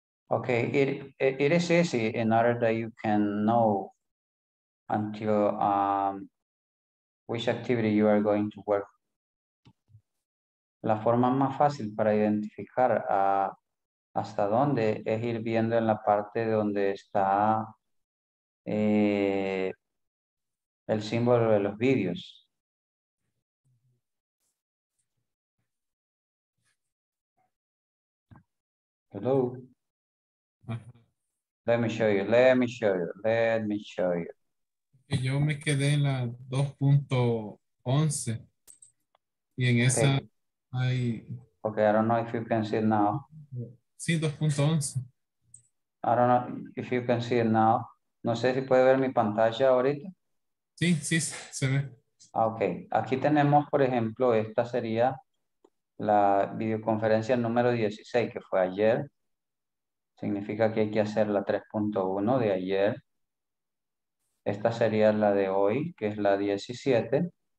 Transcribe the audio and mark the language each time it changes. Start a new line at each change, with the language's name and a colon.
English: Okay, it is easy in order that you can know until which activity you are going to work.
Spanish: La forma más fácil para identificar hasta dónde es ir viendo en la parte donde está el símbolo de los vídeos.
English: Hello. Let me show you, let me show you, let me show you.
Spanish: Yo me quedé en la 2.11 y en esa hay...
English: Okay, I don't know if you can see it now.
Spanish: Sí, 2.11.
English: I don't know if you can see it now.
Spanish: No sé si puede ver mi pantalla ahorita. Sí, sí, se ve. Okay, aquí tenemos, por ejemplo, esta sería la videoconferencia número 16 que fue ayer. Significa que hay que hacer la 3.1 de ayer. Esta sería la de hoy, que es la 17.